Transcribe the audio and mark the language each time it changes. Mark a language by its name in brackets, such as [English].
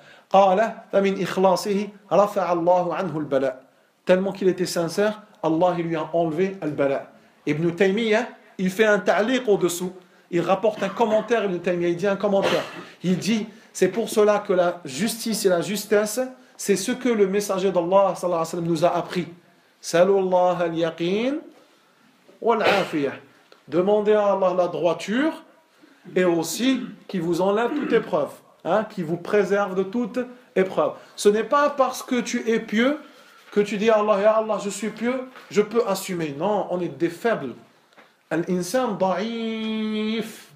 [Arabic] قال فمن إخلاصه رفع الله عنه البلاء. [French] Tellement qu'il était sincère, Allah lui a enlevé البلاء. Ibn Taymiyyah, il fait un ta'liq au-dessous. Il rapporte un commentaire, Ibn Taymiyyah, il dit un commentaire. Il dit, c'est pour cela que la justice et la justesse, c'est ce que le messager d'Allah [Arabic] صلى الله عليه وسلم [French] nous a appris. [Arabic] سألوا الله اليقين والعافية. [French] Demandez à Allah la droiture et aussi qu'il vous enlève toute épreuve. Hein, qui vous préserve de toute épreuve. Ce n'est pas parce que tu es pieux que tu dis Allah, ya Allah, je suis pieux, je peux assumer. Non, on est des faibles. [Arabic] Al-insan da'if.